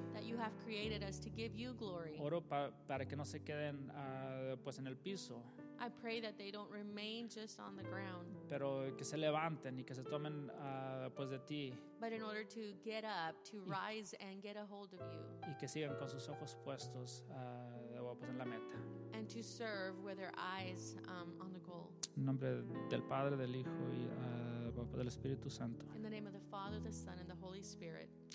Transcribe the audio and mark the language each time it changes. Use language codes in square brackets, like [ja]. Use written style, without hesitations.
[en] That you have created us to give you glory. [es] Oro para que no se queden pues en el piso. [en] I pray that they don't remain just on the ground. [es] Pero que se levanten y que se tomen pues de ti. [en] But in order to get up, to rise and get a hold of you. [es] Y que sigan con sus ojos puestos pues en la meta. [en] And to serve with their eyes on the goal. [es] En nombre del Padre, del Hijo y del Espíritu Santo. [en] In the name of the Father, the Son, and the Holy Spirit.